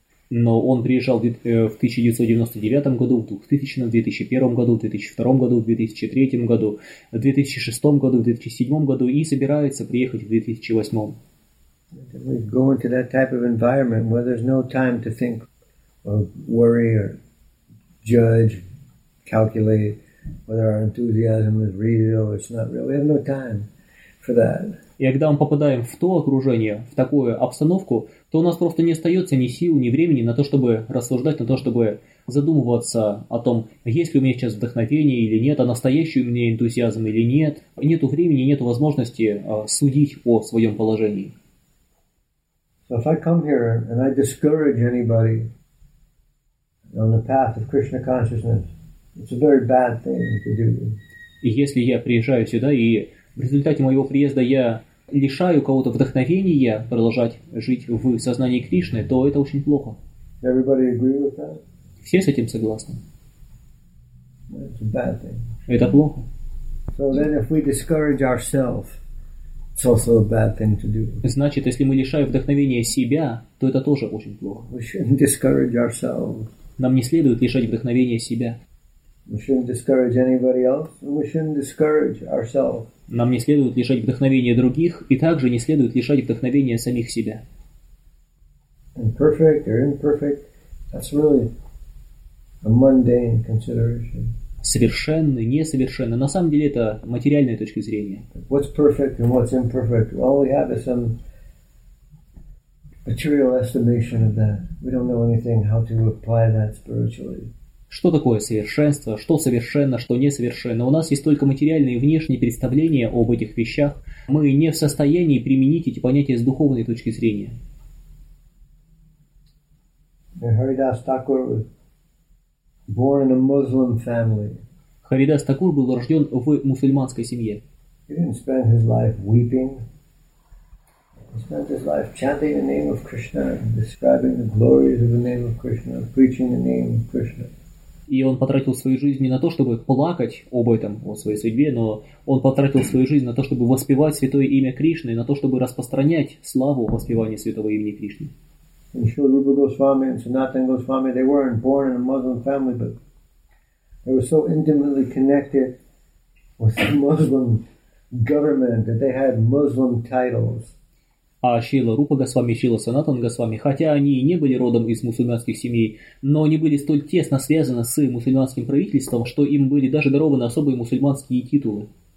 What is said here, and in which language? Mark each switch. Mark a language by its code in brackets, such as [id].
[ru] Но он приезжал в 1999 году, в 2000, 2001 году, 2002 году, 2003 году, 2006 году, 2007 году и собирается приехать в 2008. [en] We go into that type of environment where there's no time to think or worry or judge, calculate whether our enthusiasm is real or it's not real. We have no time for that. [ru] И когда мы попадаем в то окружение, в такую обстановку, то у нас просто не остается ни сил, ни времени на то, чтобы рассуждать, на то, чтобы задумываться о том, есть ли у меня сейчас вдохновение или нет, а настоящий у меня энтузиазм или нет. Нету времени, нету возможности судить о своем положении. [en] So if I come here and I discourage anybody on the path of Krishna consciousness, it's a very bad thing to do. [ru] И если я приезжаю сюда и в результате моего приезда я лишаю кого-то вдохновения продолжать жить в сознании Кришны, то это очень плохо. [en] Everybody agree with that? [ru] Все с этим согласны? [en] It's a bad thing. [ru] Это плохо. [en] So then if we discourage ourselves, it's also a bad thing to do. [ru] Значит, если мы лишаем вдохновения себя, то это тоже очень плохо. [en] We shouldn't discourage ourselves. [ru] Нам не следует лишать вдохновения себя. [en] We shouldn't discourage anybody else. We shouldn't discourage ourselves. [ru] Нам не следует лишать вдохновения других и также не следует лишать вдохновения самих себя. [en] Imperfect or imperfect, that's really a mundane consideration. [ru] Совершенный, несовершенный. На самом деле это материальная точка зрения. [en] What's perfect and what's imperfect? All we have is some material estimation of that. We don't know anything how to apply that spiritually. [ru] Что такое совершенство? Что совершенно, что несовершенно? У нас есть только материальные и внешние представления об этих вещах. Мы не в состоянии применить эти понятия с духовной точки зрения. [en] Haridas Thakur was born in a Muslim family. [ru] Haridas Thakur был рожден в мусульманской семье. [en] He didn't spend his life weeping. He spent his life chanting the name of Krishna, describing the glories of the name of Krishna, preaching the name of Krishna. [ru] И он потратил свою жизнь не на то, чтобы плакать об этом, о своей судьбе, но он потратил свою жизнь на то, чтобы воспевать святое имя Кришны, на то, чтобы распространять славу воспевания святого имени Кришны. [en] And sure, Rupa Goswami and Sanatana Goswami, they weren't born in a Muslim family, but they were so intimately connected with the Muslim government that they had Muslim titles. [ru] А Шрила Рупа Госвами и Шрила Санатана Госвами, хотя они и не были родом из мусульманских семей, но они были столь тесно связаны с мусульманским правительством, что им были даже дарованы особые мусульманские титулы.